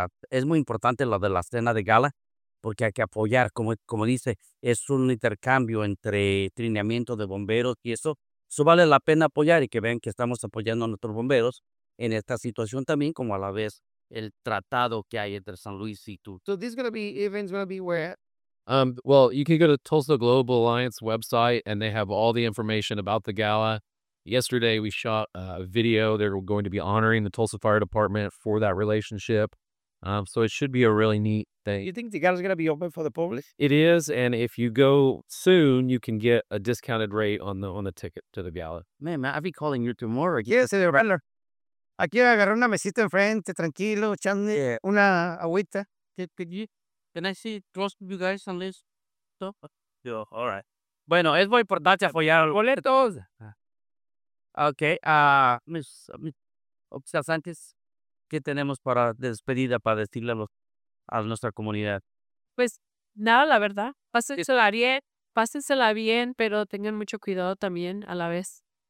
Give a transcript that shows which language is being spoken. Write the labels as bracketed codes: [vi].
[es] es muy importante lo de la cena de gala, porque hay que apoyar, como dice, es un intercambio entre trineamiento de bomberos y eso. Eso vale la pena apoyar, y que vean que estamos apoyando a nuestros bomberos en esta situación también, como a la vez el tratado que hay entre San Luis y tú. [en] So this is going to be, event's going to be where? Well, you can go to Tulsa Global Alliance website, and they have all the information about the gala. Yesterday we shot a video. They're going to be honoring the Tulsa Fire Department for that relationship. So it should be a really neat thing. You think the gala is going to be open for the public? It is, and if you go soon, you can get a discounted rate on the ticket to the gala. Man, I'll be calling you tomorrow. Yes, the regular. [es] Aquí agarrar una mesita enfrente, tranquilo, echando una agüita. [en] Can I see close to you guys on this? So, yeah, all right. [es] Bueno, es muy importante apoyar a los boletos. Ok, mis observantes, ¿qué tenemos para despedida para decirle a nuestra comunidad? Pues nada, la verdad. Pásensela bien, pero tengan mucho cuidado también a la vez.